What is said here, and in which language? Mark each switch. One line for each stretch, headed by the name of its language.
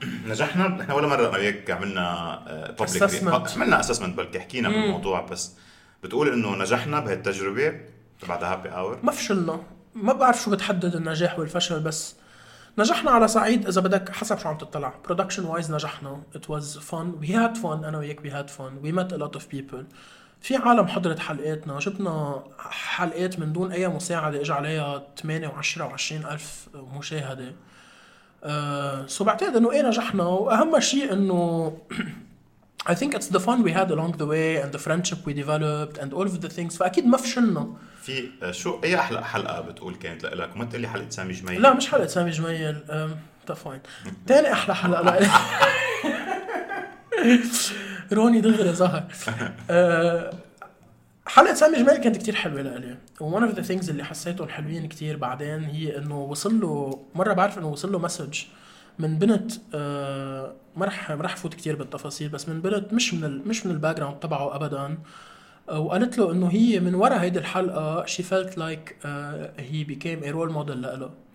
Arabic: نجحنا احنا ولا مرة هيك عملنا
English: public assessment.
Arabic: عملنا assessment بل كحكينا بالموضوع بس بتقول انه نجحنا بهالتجربه تبع ذا هابي اور ما فشلنا ما بعرف شو بتحدد النجاح والفشل بس نجحنا على صعيد اذا بدك حسب شو عم تطلع
English: production wise
Arabic: نجحنا.
English: it was fun, we had fun,
Arabic: انا وياك
English: we had fun, we met a lot of people.
Arabic: في عالم حضرت حلقاتنا, جبنا حلقات من دون اي مساعدة اجى عليها 28,000 مشاهدة. سو بعتقد انه ايه نجحنا, واهم شيء انه
English: I think it's the fun we had along the way and the friendship we developed and all of the things.
Arabic: فأكيد ما فشلنا. في شو أي أحلى حلقة بتقول كانت لك؟ ما تقولي حلقة سامي جميل. لا مش حلقة سامي جميل. تفاين. تاني أحلى حلقة لا. روني دغري ظهر. حلقة سامي جميل كانت كتير حلوة لألي.
English: One of the things
Arabic: اللي حسيته الحلوين كتير بعدين هي إنه وصل له مرة, بعرف إنه وصل له مسج من بنت, ما رح فوت كتير بالتفاصيل, بس من بنت مش من الباك جراوند تبعه ابدا, وقالت له انه هي من ورا هيدي الحلقه
English: she felt like he became a role model
Arabic: لإله.